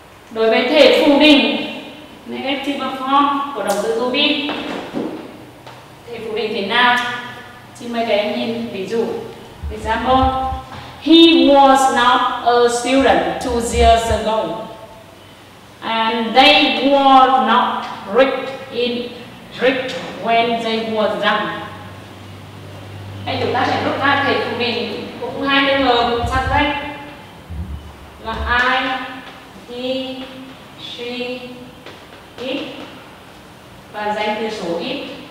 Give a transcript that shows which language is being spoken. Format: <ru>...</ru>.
<vi>Đối với thể phủ định negative form của động từ to be, thể phủ định thế nào? Xin mời các em nhìn ví dụ.</vi> <en>Example: He was not a student 2 years ago, and they were not rich when they were young.</en> <vi>Hay chúng ta sẽ rút ra thể phủ định cũng hai trường hợp sắp xếp là I, he, she, it và danh từ số ít.</vi>